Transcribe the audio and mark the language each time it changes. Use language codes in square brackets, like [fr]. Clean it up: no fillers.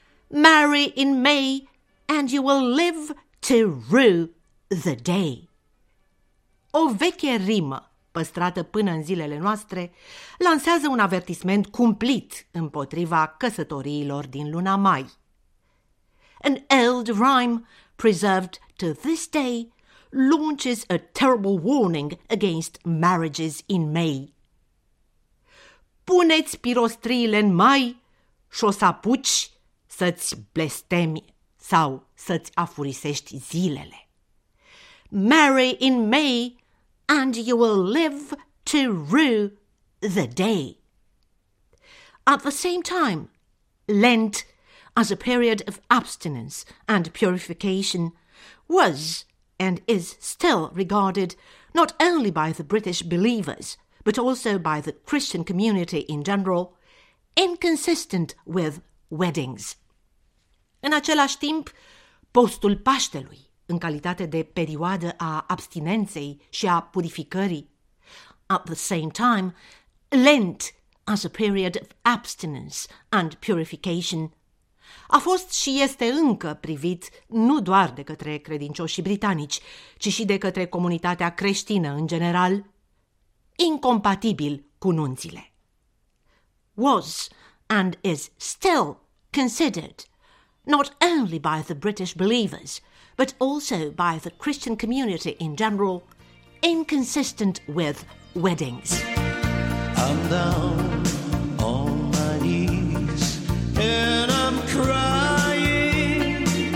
[en] Marry in May and you will live to rue the day. [ro] O veche rimă păstrată până în zilele noastre, lansează un avertisment cumplit împotriva căsătoriilor din luna mai. [en] An old rhyme preserved to this day launches a terrible warning against marriages in May. [ro] Puneți pirostriile în mai și o să apuci să-ți blestemi sau să-ți afurisești zilele. [en] Marry in May and you will live to rue the day. At the same time, Lent, as a period of abstinence and purification, was and is still regarded not only by the British believers, but also by the Christian community in general, inconsistent with weddings. [ro] În același timp, postul Paștelui, în calitate de perioadă a abstinenței și a purificării, [en] at the same time, Lent, as a period of abstinence and purification, [ro] a fost și este încă privit nu doar de către credincioșii britanici, ci și de către comunitatea creștină în general, incompatibil cu nunțile. [en] Was and is still considered, not only by the British believers, but also by the Christian community in general, inconsistent with weddings. I'm down on my knees and I'm crying.